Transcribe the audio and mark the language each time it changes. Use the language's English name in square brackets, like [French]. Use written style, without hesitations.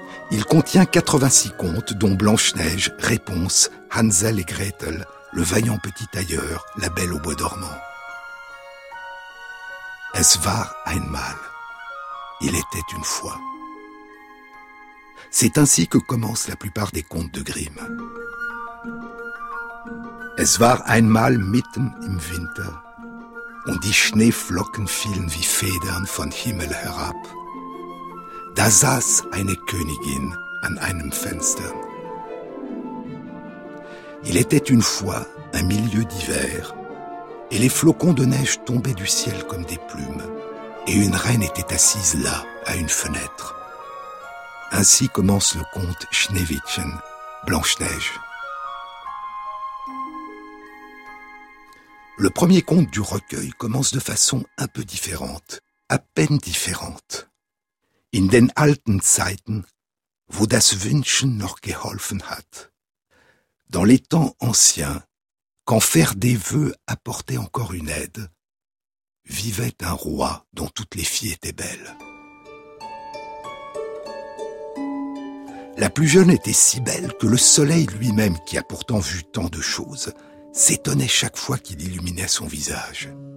[French] Il contient 86 contes, dont Blanche-Neige, Réponse, Hansel et Gretel, Le vaillant petit tailleur, La belle au bois dormant. [German] Es war einmal. [French] Il était une fois. C'est ainsi que commence la plupart des contes de Grimm. [German] Es war einmal mitten im Winter, und die Schneeflocken fielen wie Federn von Himmel herab. Da saß eine Königin an einem Fenster. [French] Il était une fois un milieu d'hiver, et les flocons de neige tombaient du ciel comme des plumes, et une reine était assise là, à une fenêtre. Ainsi commence le conte Schneewittchen, Blanche-Neige. Le premier conte du recueil commence de façon un peu différente, à peine différente. [German] In den alten Zeiten, wo das Wünschen noch geholfen hat. [French] Dans les temps anciens, quand faire des vœux apportait encore une aide, vivait un roi dont toutes les filles étaient belles. La plus jeune était si belle que le soleil lui-même, qui a pourtant vu tant de choses, s'étonnait chaque fois qu'il illuminait son visage.